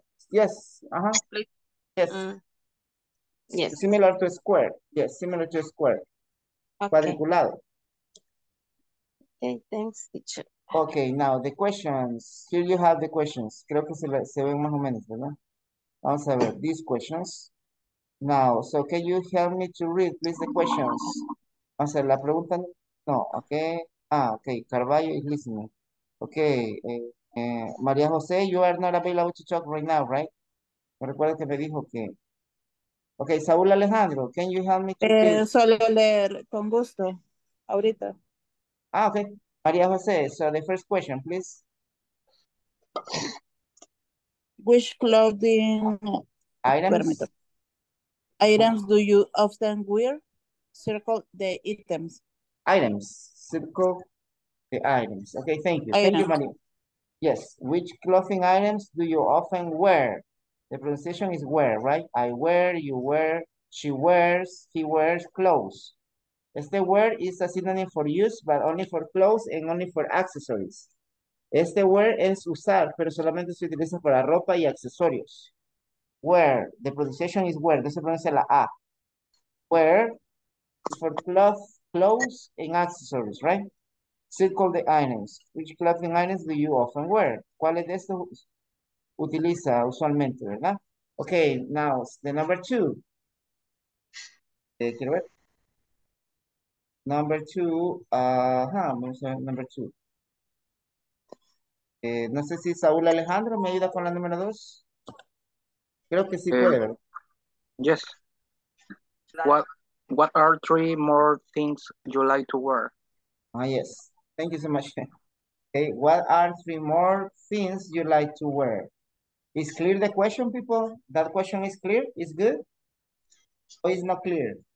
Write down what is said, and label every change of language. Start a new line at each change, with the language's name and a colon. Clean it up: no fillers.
English: Yes, ajá. Yes. Yes. Similar to square. Yes, similar to square. Okay. Cuadriculado. Okay, thanks, teacher. Okay, now the questions. Here you have the questions.
Spanish: Creo que se ven más o menos, ¿verdad? Vamos a ver
English: these questions. Now, so can you help me to read, please, the questions?
Spanish: Vamos a ver la pregunta.
English: No, okay. Ah, okay. Carvalho is listening. Okay. María José, you are not available to talk right now, right?
Spanish: Me recuerda que me dijo que.
English: Okay, Saúl Alejandro, can you help me to read?
Spanish: Solo leer con gusto, ahorita.
English: Ah, okay. María José, so the first question, please. Which clothing items do you often wear? Circle the items. Items. Circle the items. Okay, thank you. Thank you, María. Yes. Which clothing items do you often wear? The pronunciation is wear, right? I wear, you wear, she wears, he wears clothes. Este wear is a synonym for use, but only for clothes and only for accessories.
Spanish: Este wear es usar, pero solamente se utiliza para ropa y accesorios.
English: Wear, the pronunciation is wear,
Spanish: no se pronuncia la A.
English: Wear, for cloth, clothes and accessories, right? Circle the items. Which clothing items do you often wear?
Spanish: ¿Cuáles de estos utiliza usualmente, verdad?
English: Okay, now the number two.
Spanish: Quiero ver.
English: Number two,
Spanish: vamos a ver,
English: number two.
Spanish: No sé si Saúl Alejandro me ayuda con la número dos. Creo que sí puede, ¿verdad?
English: Yes. What are three more things you like to wear? Ah, yes. Thank you so much. Okay, what are three more things you like to wear? Is clear the question, people? That question is clear? Is good? Or is not clear?